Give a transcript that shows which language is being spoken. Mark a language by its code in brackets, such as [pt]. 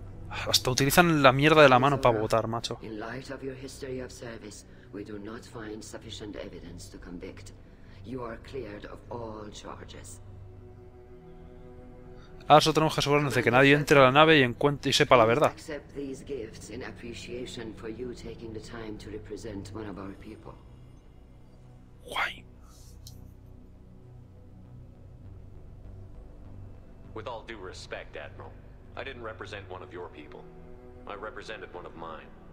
[es] Hasta utilizan la mierda de la mano para votar, macho. [en] In light of your history of service, we do not find sufficient evidence to convict. You are cleared of all charges. [es] Ahora solo tenemos que asegurarnos de que nadie entre a la nave y encuentre y sepa la verdad. [en] Accept these gifts in appreciation for you taking the time to represent one of our people. [es] Guay. [en] With all due respect, Admiral. I didn't represent one of your people. I represented one of mine.